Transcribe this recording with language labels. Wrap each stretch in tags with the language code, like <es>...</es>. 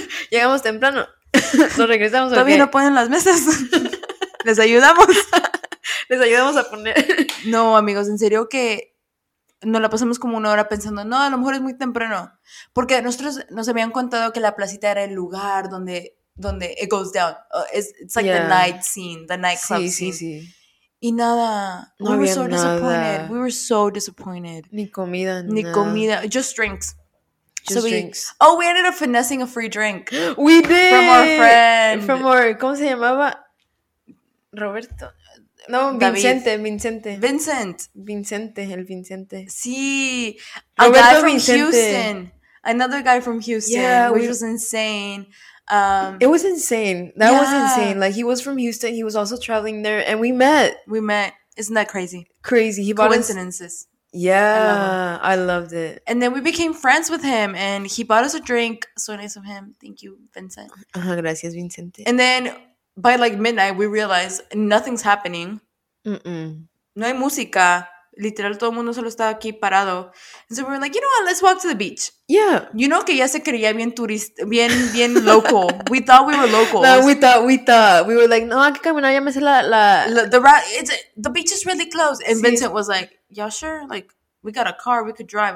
<es>Llegamos temprano. Nos regresamos. ¿Todavía no ponen las mesas? ¿Les ayudamos? Les ayudamos a poner. No, amigos, en serio que nos la pasamos como una hora pensando, no, a lo mejor es muy temprano. Porque nosotros nos habían contado que la placita era el lugar donde... donde</es> <en>it goes down. It's like, yeah, the night scene, the nightclub,</en> <es>sí,</es> <en>scene.</en> <es>Sí, sí. Y nada.</es> <en>No, we were so disappointed. We were so disappointed.</en> <es>Ni comida, ni nada. Comida.</es> <en>Just drinks. Just so drinks. We ended up finessing a free drink. We did. From our friend. From our,</en> <es>¿cómo se llamaba? Roberto. No, Vicente, David. Vincente. Vincent. Vincente, el Vincente.</es> <en>Sí. Roberto, a guy from Vincente. Houston. Another guy from Houston. Yeah, which was insane. It was insane. That, yeah, was insane. Like, he was from Houston. He was also traveling there, and we met. We met. Isn't that crazy? Crazy. He bought coincidences. Us. Yeah, I loved it. And then we became friends with him, and he bought us a drink. So nice of him. Thank you, Vincent.</en> <es>Gracias, Vincente.</es> <en>And then by like midnight, we realized nothing's happening. Mm-mm.</en> <es>No hay música. Literal, todo el mundo solo estaba aquí parado.</es> <en>And so we were like, you know what, let's walk to the beach. Yeah. You know</en> <es>que ya se creía bien turista, bien local.</es> <en>We thought we were locals.</en> <es>No,</es> <en>we thought. We were like,</en> <es>no, hay que caminar, ya me sé la...</es> <en>The beach is really close. And sí. Vincent was like, yeah, sure. Like, we got a car, we could drive.</en>